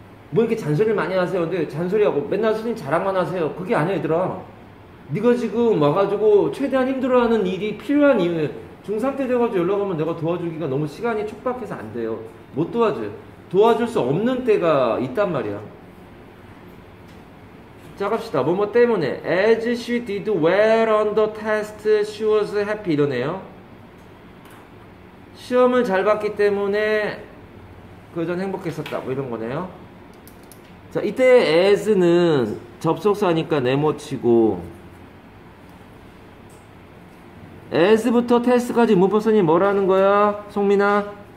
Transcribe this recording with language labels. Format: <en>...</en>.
<ko>뭐 이렇게 잔소리를 많이 하세요. 근데 잔소리하고 맨날 스님 자랑만 하세요. 그게 아니야 얘들아. 니가 지금 와가지고 최대한 힘들어하는 일이 필요한 이유. 중3 때 돼가지고 연락하면 내가 도와주기가 너무 시간이 촉박해서 안 돼요. 못 도와줘요. 도와줄 수 없는 때가 있단 말이야. 자 갑시다. 뭐뭐 때문에</ko> <en>As she did well on the test she was happy</en> <ko>이러네요. 시험을 잘 봤기 때문에 그전 행복했었다 뭐 이런 거네요. 자 이때 as는 접속사니까 네모치고 as부터 테스트까지 문법선이 뭐라는 거야 송민아?</ko>